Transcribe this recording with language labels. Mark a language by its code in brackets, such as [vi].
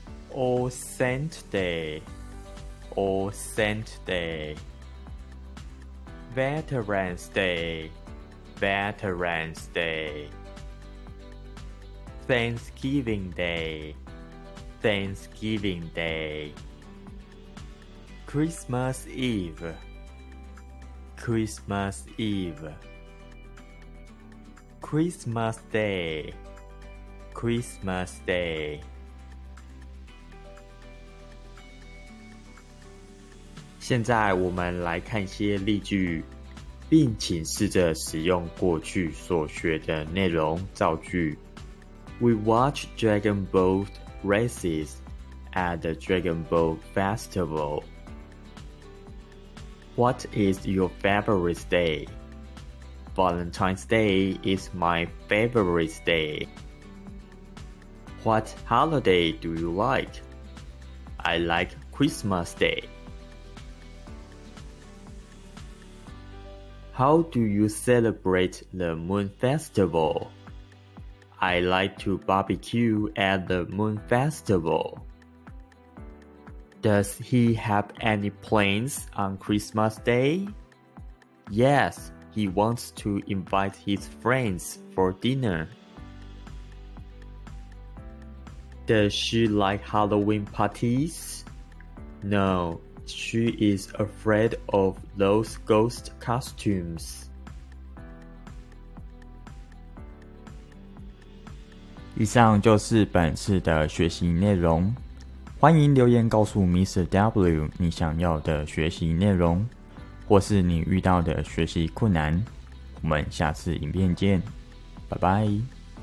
[en] All Saint Day, All Saint Day, Veterans Day, Veterans Day, Thanksgiving Day, Thanksgiving Day, Christmas Eve, Christmas Eve, Christmas Day, Christmas Day. [zh] 现在我们来看一些例句，并请试着使用过去所学的内容造句。 [en] We watch Dragon Boat races at the Dragon Boat Festival. What is your favorite day? Valentine's Day is my favorite day. What holiday do you like? I like Christmas Day. How do you celebrate the Moon Festival? I like to barbecue at the Moon Festival. Does he have any plans on Christmas Day? Yes, he wants to invite his friends for dinner. Does she like Halloween parties? No, she is afraid of those ghost costumes. [zh] 以上就是本次的学习内容，欢迎留言告诉 Mr.W 你想要的学习内容，或是你遇到的学习困难。我们下次影片见，拜拜。